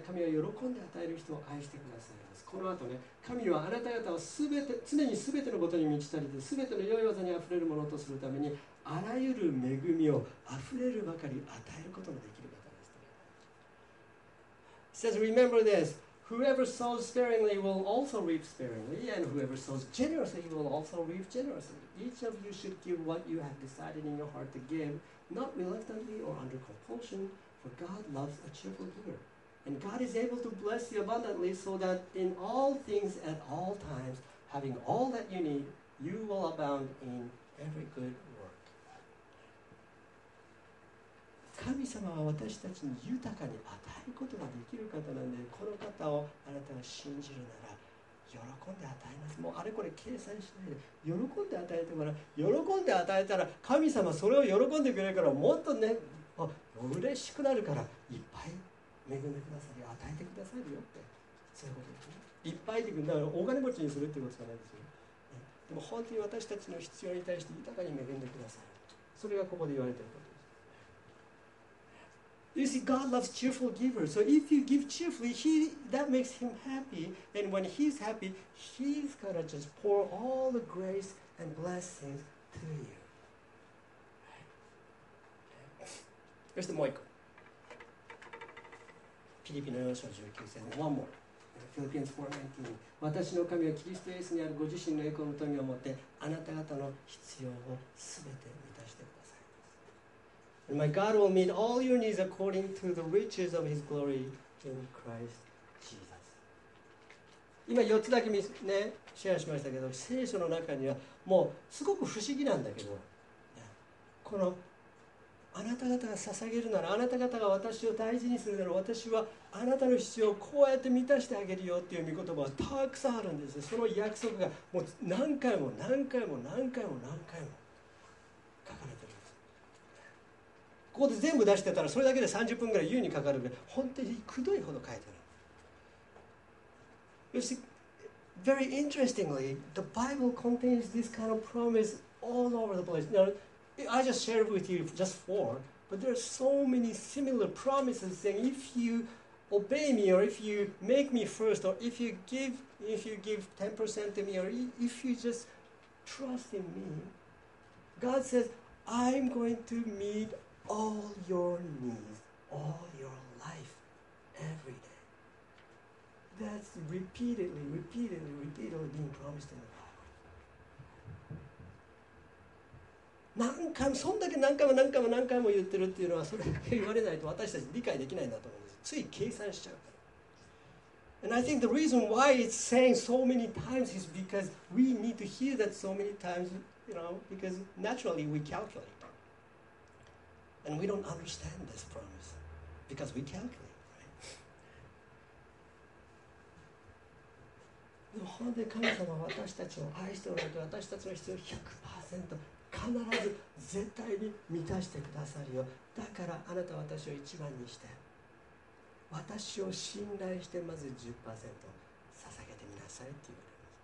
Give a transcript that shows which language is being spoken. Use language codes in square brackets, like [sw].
[ja] 神は喜んで与える人を愛してくださいます。この後ね、神はあなた方を常に全てのことに満ちたりで全ての良い技にあふれるものとするためにあらゆる恵みをあふれるばかり与えることのできる方です。 [en] says remember this: whoever sows sparingly will also reap sparingly, and whoever sows generously will also reap generously. Each of you should give what you have decided in your heart to giveNot reluctantly or under compulsion, for God loves a cheerful giver. And God is able to bless you abundantly so that in all things at all times, having all that you need, you will abound in every good work. [ja] 神様は私たちに豊かに与えることができる方なんで、この方をあなたが信じるなら、喜んで与えます。もうあれこれ計算しないで喜んで与えてもらう。喜んで与えたら神様それを喜んでくれるからもっとね、あ、嬉しくなるからいっぱい恵んでくださいよ、与えてくださいよって、そういうことですね。いっぱいでくるんだからお金持ちにするってことじゃないですよ、ね、でも本当に私たちの必要に対して豊かに恵んでください。それがここで言われていることです。 [en] You see, God loves cheerful givers. So if you give cheerfully, that makes him happy. And when he's happy, he's gonna just pour all the grace and blessings to you. Here's the Moiko. [ja] ピリピの4章19節。 [en] One more. [ja] フィリピンズ 4:19 私の神はキリストイエスにあるご自身の栄光の富をもってあなた方の必要をすべて満たしてくださいます。 [en] And my God will meet all your needs according to the riches of his glory in Christ Jesus. [ja] 今4つだけ、ね、シェアしましたけど、聖書の中にはもうすごく不思議なんだけど、このあなた方が捧げるなら、あなた方が私を大事にするなら、私はあなたの必要をこうやって満たしてあげるよっていう御言葉はたくさんあるんです。その約束がもう何回も何回も何回も何回も書かれてるんです。ここで全部出してたらそれだけで30分ぐらい優にかかるぐらい、本当にくどいほど書いてる。 [en] You see, very interestingly, the Bible contains this kind of promise all over the place. Now,I just shared with you just four, but there are so many similar promises saying if you obey me or if you make me first or if you give 10% to me or if you just trust in me, God says, I'm going to meet all your needs, all your life, every day. That's repeatedly, repeatedly, repeatedly being promised to me. [ja] 何回もそんだけ何回も何回も何回も言ってるっていうのはそれだけ言われないと私たち理解できないんだと思うんです。つい計算しちゃうから。 [en] And I think the reason why it's saying so many times is because we need to hear that so many times, you know, because naturally we calculate. And we don't understand this promise because we calculate, right? [ja] でも本当に神様は私たちを愛しておられて私たちの必要 100%必ず絶対に満たしてくださるよ。だからあなた私を一番にして私を信頼してまず 10% 捧げてみなさいって言われます。